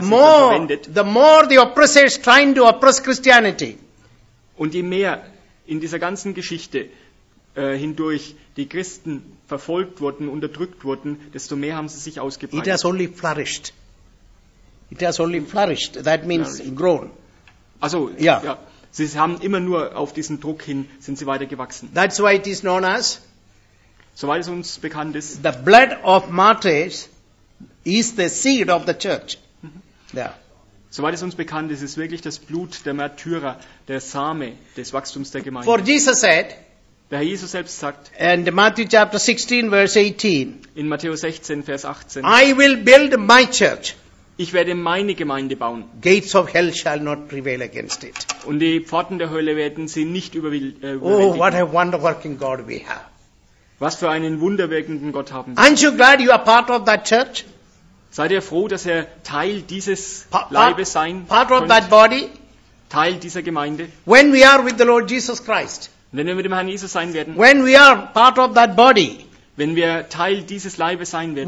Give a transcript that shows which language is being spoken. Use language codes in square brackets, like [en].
[en] the more, the oppressors trying to oppress Christianity. [de] Und je mehr in dieser ganzen Geschichte hindurch die Christen verfolgt wurden, unterdrückt wurden, desto mehr haben sie sich ausgebreitet. [en] It has only flourished. It has only flourished. That means grown. [de] Also, ja. Ja. Sie haben immer nur auf diesen Druck hin, sind sie weiter gewachsen. [en] That's why it is known as, [de] soweit es uns bekannt ist, [en] the blood of martyrs is the seed of the church. Mhm. Yeah. [de] Soweit es uns bekannt ist, ist wirklich das Blut der Märtyrer, der Same des Wachstums der Gemeinde. [en] For Jesus said, [de] der Herr Jesus selbst sagt, [en] and Matthew chapter 16, verse 18, [de] in Matthäus 16, Vers 18, [en] I will build my church. [de] Ich werde meine Gemeinde bauen. [en] Gates of hell shall not prevail against it. [de] Und die Pforten der Hölle werden sie nicht überwinden. [en] Oh, what a wonder-working God we have. [de] Was für einen wunderwirkenden Gott haben wir. [en] Aren't you glad you are part of that church? [de] Seid ihr froh, dass ihr Teil dieses Leibes sein könnt? [en] Part of that body? [de] Teil dieser Gemeinde? [en] When we are with the Lord Jesus Christ? [de] Wenn wir mit dem Herrn Jesus sein werden? [en] When we are part of that body? [de] Wenn wir Teil dieses Leibes sein werden,